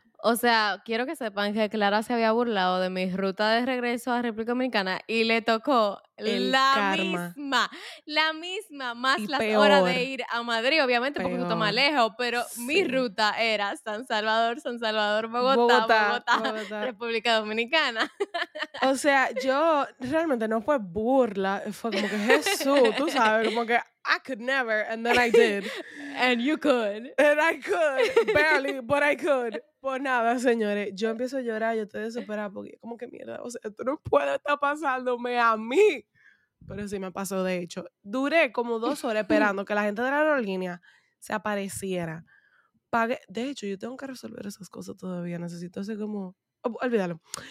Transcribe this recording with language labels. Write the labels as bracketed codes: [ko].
[es] O sea, quiero que sepan que Clara se había burlado de mi ruta de regreso a República Dominicana y le tocó la misma, más las horas de ir a Madrid, obviamente, porque un poquito más lejos, pero sí. Mi ruta era San Salvador, Bogotá, República Dominicana. O sea, yo realmente no fue burla, fue como que Jesús, tú sabes, como que [en] I could never, and then I did. And you could. And I could, barely, but I could. [es] Pues nada, señores, yo empiezo a llorar, yo estoy desesperada porque como que mierda, o sea, esto no puede estar pasándome a mí. Pero sí me pasó, de hecho. Duré como 2 horas esperando que la gente de la aerolínea se apareciera. Pagué, de hecho, yo tengo que resolver esas cosas todavía, necesito hacer como... olvídalo.